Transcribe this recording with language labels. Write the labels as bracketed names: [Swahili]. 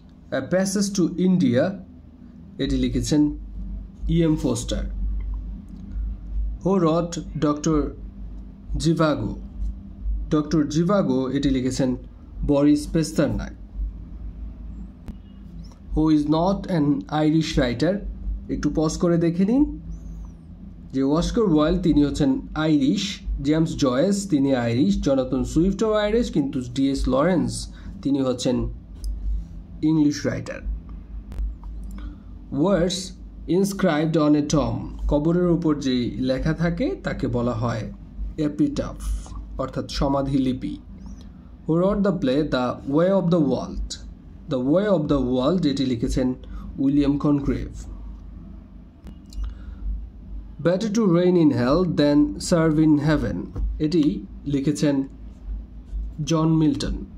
[Bangla] A Passage to India, এটি লিখেছেন E.M. [English] Forster. Who wrote Dr. Zhivago? Dr. [Bangla] Zhivago, এটি লিখেছেন Boris Pasternak. [English] Who is not an Irish writer? [Bangla] একটু pause করে দেখে নিন যে অস্কার ওয়াইল্ড তিনি হচ্ছেন আইরিশ, জেমস জয়েস তিনি আইরিশ, জোনাথন সুইফটও আইরিশ, কিন্তু ডিএস লরেন্স তিনি হচ্ছেন English writer. [English] words inscribed on a tomb, [Bangla] কবরের উপর যে লেখা থাকে তাকে বলা হয় এপিটাফ, অর্থাৎ সমাধিলিপি। [English] Who wrote the play the way of the world? The way of the world, [Bangla] এটি লিখেছেন [English] William Congreve. Better to reign in hell than serve in heaven, [Bangla] এটি লিখেছেন জন মিল্টন।